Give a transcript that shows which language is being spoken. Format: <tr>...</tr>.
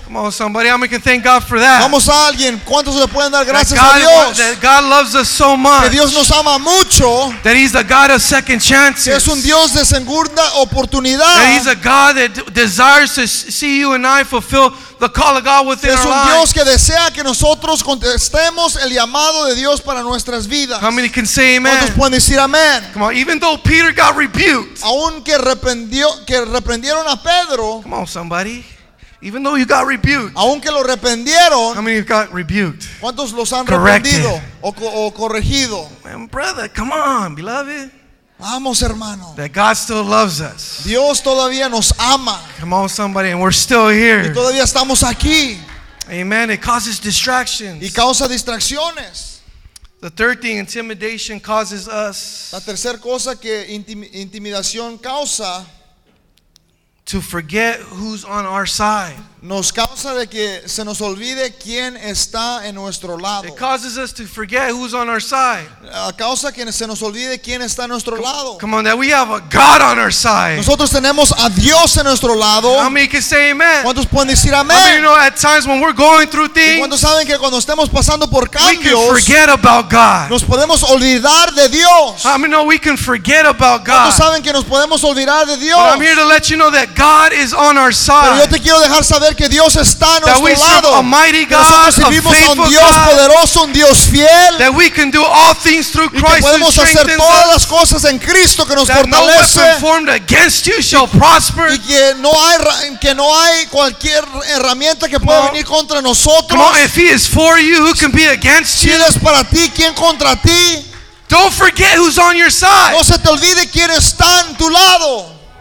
<en>Come on, somebody, how many can thank God for that?</en> <es>Vamos a alguien. ¿Cuántos le pueden dar gracias a Dios?</es> <en>That God loves us so much.</en> <es>Que Dios nos ama mucho.</es> <en>That He's the God of second chances.</en> <es>Que es un Dios de segunda.</es> <en>That He's a God that desires to see you and I fulfill the call of God within our lives.</en> <es>Es un Dios que desea que nosotros contestemos el llamado de Dios para nuestras vidas.</es> <en>How many can say amen?</en> <es>¿Cuántos pueden decir amen?</es> <en>Come on, even though Peter got rebuked.</en> <es>Aunque reprendieron a Pedro.</es> <en>Come on, somebody. Even though you got rebuked.</en> <es>Aunque lo reprendieron.</es> <en>How many got rebuked?</en> <es>¿Cuántos los han reprendido o corregido?</es> <en>Man, brother, come on, beloved.</en> <es>Vamos, hermano.</es> <en>That God still loves us.</en> <es>Dios todavía nos ama.</es> <en>Come on, somebody, and we're still here.</en> <es>Y todavía estamos aquí.</es> <en>Amen. It causes distractions.</en> <es>Y causa distracciones.</es> <en>The third thing, intimidation causes us.</en> <es>La tercera cosa que intimidación causa.</es> <en>To forget who's on our side.</en> <es>Nos causa de que se nos olvide quién está en nuestro lado.</es> <en>It causes us to forget who's on our side.</en> <es>A causa que se nos olvide quién está en nuestro lado.</es> <en>Come on, that we have a God on our side.</en> <es>Nosotros tenemos a Dios en nuestro lado.</es> <en>How many can say amen?</en> <es>¿Cuántos pueden decir amén?</es> <en>How many know at times when we're going through things?</en> <es>¿Cuántos saben que cuando estemos pasando por cambios?</es> <en>We can forget about God.</en> <es>Nos podemos olvidar de Dios.</es> <en>How many know we can forget about God?</en> <es>¿Cuántos saben que nos podemos olvidar de Dios?</es> <en>But I'm here to let you know that God is on our side.</en> <es>Pero yo te quiero dejar saber que Dios está a nuestro lado.</es> <en>That we serve a mighty God,</en> <es>que nosotros servimos a un Dios poderoso, un Dios fiel.</es> <en>That we can do all things through Christ,</en> <es>y que podemos hacer todas las cosas en Cristo que nos fortalece.</es> <en>No formed against you shall prosper.</en> <es>Y que no hay cualquier herramienta que pueda venir contra nosotros.</es> <en>Come on, if He is for you, who can be against you?</en> <es>Si es para ti, ¿quién contra ti?</es> <en>Don't forget who's on your side.</en> <es>No se te olvide quién está en tu lado.</es>